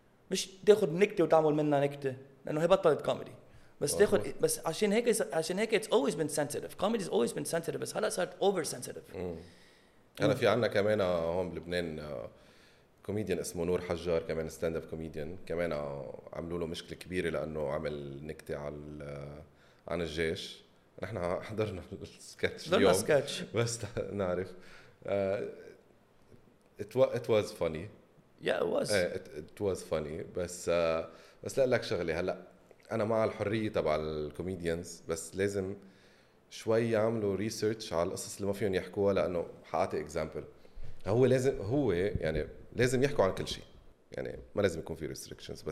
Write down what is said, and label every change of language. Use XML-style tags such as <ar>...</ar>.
<ar>مش تاخذ نكتة وتعمل منها نكتة لانه هي بطلت كوميدي، بس تاخذ بس عشان هيك</ar> <en>it's always been sensitive.</en> <ar>Comedy's always been sensitive بس هلا صارت</ar> <en>over sensitive.</en> <ar>هلا في عنا كمان هون بلبنان كوميديان اسمه نور حجار، كمان ستاند اب كوميديان، كمان عملوا له مشكله كبيره لانه عمل نكته على عن الجيش. نحن حضرنا السكتش اليوم سكتش. بس نعرف</ar> <en>it was funny yeah it was funny</en> <ar>بس لا لك شغلي. هلا انا مع الحريه تبع الكوميديانز بس لازم شوي يعملوا ريسيرش على القصص اللي ما فيهم يحكوها، لانه حاعطي اكزامبل، هو لازم هو يعني لازم يحكوا عن كل شيء، يعني ما لازم يكون في ريستريكشنز.</ar>